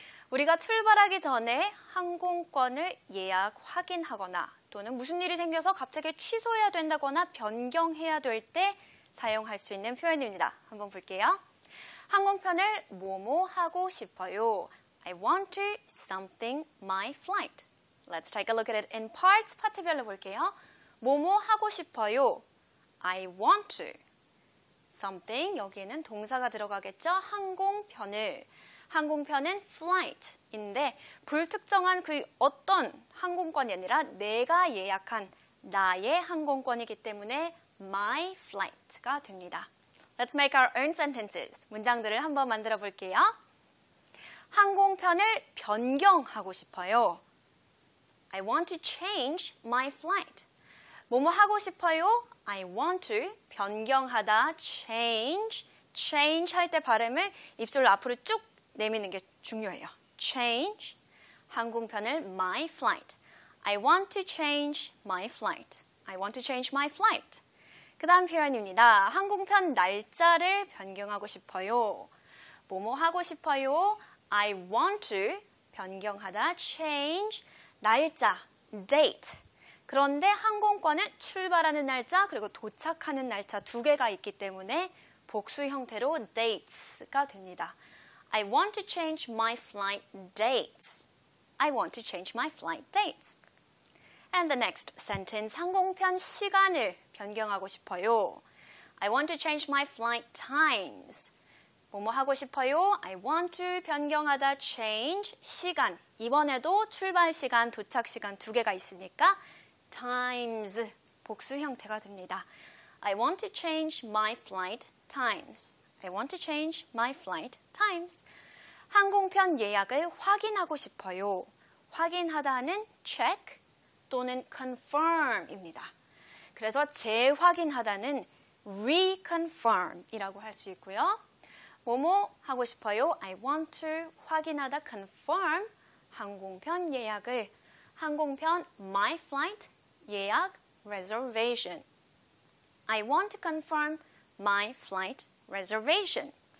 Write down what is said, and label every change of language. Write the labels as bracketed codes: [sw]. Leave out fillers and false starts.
[ko] 우리가 출발하기 전에 항공권을 예약 확인하거나 또는 무슨 일이 생겨서 갑자기 취소해야 된다거나 변경해야 될 때 사용할 수 있는 표현입니다. 한번 볼게요. 항공편을 뭐뭐 하고 싶어요. [en] I want to something my flight. Let's take a look at it in parts. [ko] 파트별로 볼게요. 뭐뭐 하고 싶어요. [en] I want to something. [ko] 여기에는 동사가 들어가겠죠. 항공편을. 항공편은 flight인데 불특정한 그 어떤 항공권이 아니라 내가 예약한 나의 항공권이기 때문에 my flight가 됩니다. [en] Let's make our own sentences. [ko] 문장들을 한번 만들어 볼게요. 항공편을 변경하고 싶어요. [en] I want to change my flight. [ko] 뭐뭐 하고 싶어요? [en] I want to 변경하다, change. [ko] Change 할 때 발음을 입술을 앞으로 쭉 내미는 게 중요해요. [en] Change 항공편을 my flight. I want to change my flight. I want to change my flight. [ko] 그 다음 표현입니다. 항공편 날짜를 변경하고 싶어요. 뭐뭐 하고 싶어요? [en] I want to 변경하다, change 날짜, date. [ko] 그런데 항공권은 출발하는 날짜 그리고 도착하는 날짜 두 개가 있기 때문에 복수 형태로 dates가 됩니다. [en] I want to change my flight dates. I want to change my flight dates. And the next sentence, [ko] 항공편 시간을 변경하고 싶어요. [en] I want to change my flight times. [ko] 뭐뭐 하고 싶어요? [en] I want to 변경하다, change, 시간. [ko] 이번에도 출발 시간, 도착 시간 두 개가 있으니까 times, 복수 형태가 됩니다. [en] I want to change my flight times. I want to change my flight times. [ko] 항공편 예약을 확인하고 싶어요. 확인하다는 check 또는 confirm입니다. 그래서 재확인하다는 reconfirm이라고 할 수 있고요. 뭐뭐 하고 싶어요? [en] I want to 확인하다 confirm 항공편 예약을 항공편 my flight 예약 reservation. I want to confirm my flight reservation.